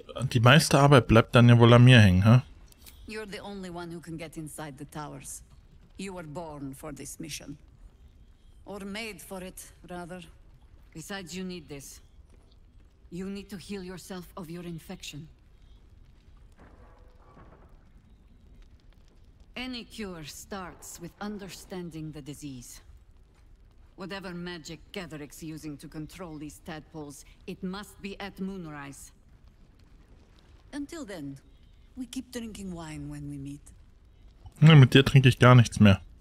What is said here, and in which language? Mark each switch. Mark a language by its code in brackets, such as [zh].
[de] Die meiste Arbeit bleibt dann ja wohl an mir hängen, hä? Huh? [en] You're the only one who can get inside the towers. You were born for this mission. Or made for it, rather. Besides, you need this. You need to heal yourself of your infection. Any cure starts with understanding the disease. Whatever magic Gatherick's using to control these tadpoles, it must be at Moonrise. Until then, we keep drinking wine when we meet. [de] Ja, mit dir trinke ich gar nichts mehr.